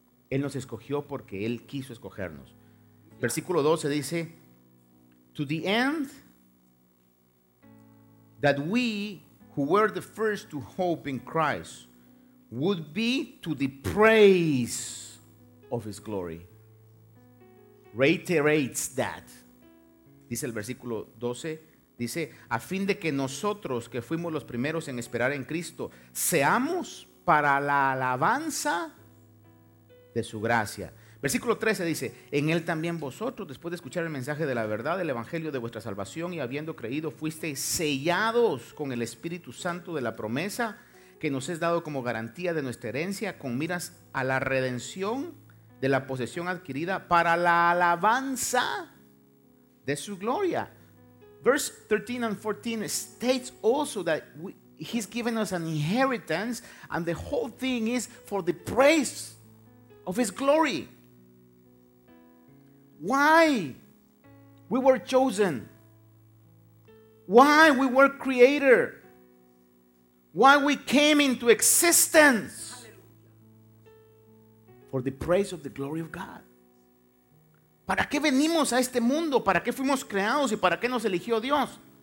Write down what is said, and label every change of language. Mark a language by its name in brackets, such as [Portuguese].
[Spanish] Él nos escogió porque Él quiso escogernos. Versículo 12 dice, [English] to the end that we who were the first to hope in Christ would be to the praise of His glory. Reiterates that. [Spanish] Dice el versículo 12, dice, a fin de que nosotros que fuimos los primeros en esperar en Cristo, seamos para la alabanza de su gracia. Versículo 13 dice, en él también vosotros, después de escuchar el mensaje de la verdad, el evangelio de vuestra salvación y habiendo creído, fuisteis sellados con el Espíritu Santo de la promesa que nos es dado como garantía de nuestra herencia con miras a la redención de la posesión adquirida para la alabanza de su gloria. [English] Verse 13 and 14 states also that he's given us an inheritance and the whole thing is for the praise of his glory. Why we were chosen? Why we were created? Why we came into existence? For the praise of the glory of God. [Spanish] ¿Para qué venimos a este mundo? ¿Para qué fuimos creados y para qué nos eligió Dios?